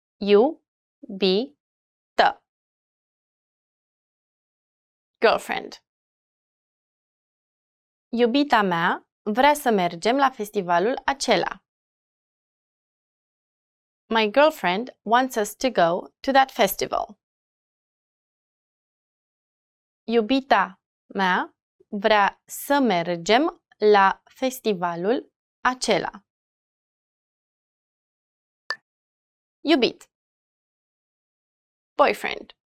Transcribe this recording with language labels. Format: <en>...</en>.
<ro>Iubită.</ro> <en>Girlfriend.</en> <ro>Iubita mea vrea să mergem la festivalul acela.</ro> <en>My girlfriend wants us to go to that festival.</en> <ro>Iubita mea vrea să mergem la festivalul acela. Iubit.</ro> <en>Boyfriend.</en>